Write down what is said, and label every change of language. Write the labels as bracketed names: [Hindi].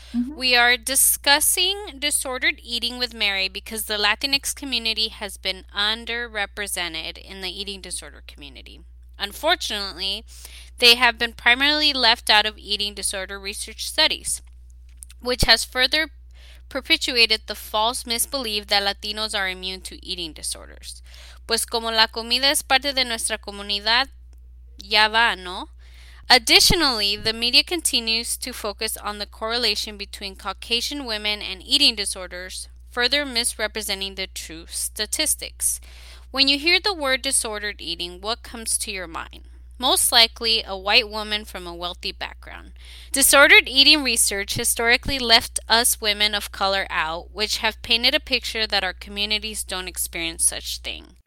[English] We are discussing disordered eating with Mary because the Latinx community has been underrepresented in the eating disorder community. Unfortunately, they have been primarily left out of eating disorder research studies, which has further perpetuated the false misbelief that Latinos are immune to eating disorders. [Spanish] Pues como la comida es parte de nuestra comunidad, ya va, ¿no? [English] Additionally, the media continues to focus on the correlation between Caucasian women and eating disorders, further misrepresenting the true statistics. When you hear the word disordered eating, what comes to your mind? Most likely a white woman from a wealthy background. Disordered eating research historically left us women of color out, which have painted a picture that our communities don't experience such thing.